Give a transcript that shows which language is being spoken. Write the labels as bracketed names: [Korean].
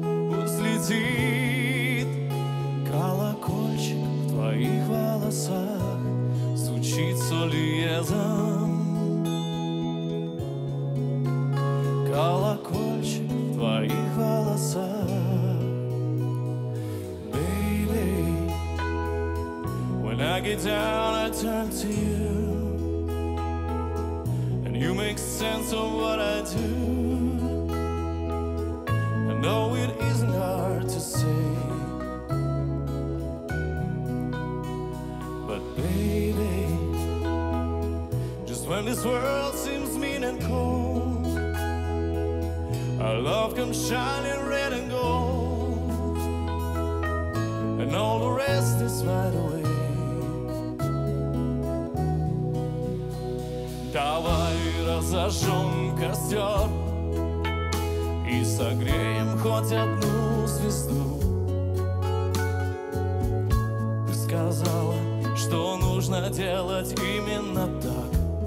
[Russian] Пусть летит колокольчик в твоих волосах, звучит солиезом. Колокольчик в твоих волосах. [English] Baby, when I get down I turn to you, you make sense of what I do. I know it isn't hard to say, but baby, just when this world seems mean and cold, our love comes shining red and gold, and all the rest is right away. [Russian] Давай разожжем костер и согреем хоть одну звезду. Ты сказала, что нужно делать именно так.